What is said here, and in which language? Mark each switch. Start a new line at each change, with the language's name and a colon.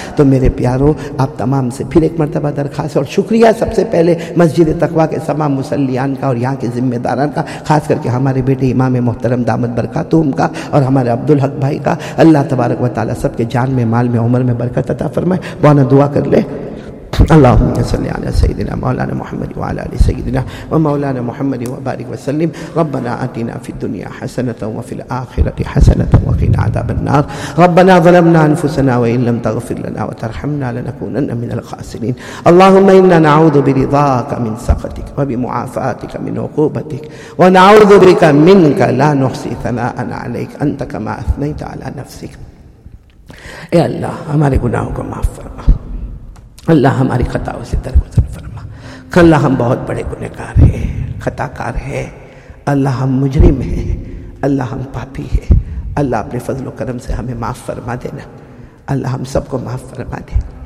Urdu: تو میرے پیاروں آپ تمام سے پھر ایک مرتبہ درخواست اور شکریہ سب سے پہلے مسجد تقویٰ کے تمام مسلیان کا اور یہاں کے ذمہ داران کا, خاص کر کے ہمارے بیٹے امام محترم دامت برکاتہم کا اور ہمارے عبدالحق بھائی کا. اللہ تبارک و تعالیٰ سب کے جان میں مال میں عمر میں برکت عطا فرمائے. مولانا دعا کر لے,
Arabic: اللهم صل على سيدنا مولانا محمد وعلى آل سيدنا ومولانا محمد وبارك وسلم. ربنا آتنا في الدنيا حسنة وفي الآخرة حسنة وقنا عذاب النار. ربنا ظلمنا أنفسنا وإن لم تغفر لنا وترحمنا لنكونن من الخاسرين. اللهم إنا نعوذ برضاك من سخطك وبمعافاتك من عقوبتك ونعوذ بك منك لا نحصي ثناءً عليك أنت كما أثنيت على نفسك.
Urdu: يا الله ہمارے گناہوں کو معاف فرما, اللہ ہماری خطاؤں سے درگزر فرما. اللہ ہم بہت بڑے گنہ کار ہیں, خطا کار ہیں, اللہ ہم مجرم ہیں, اللہ ہم پاپی ہیں. اللہ اپنے فضل و کرم سے ہمیں معاف فرما دینا, اللہ ہم سب کو معاف فرما دے.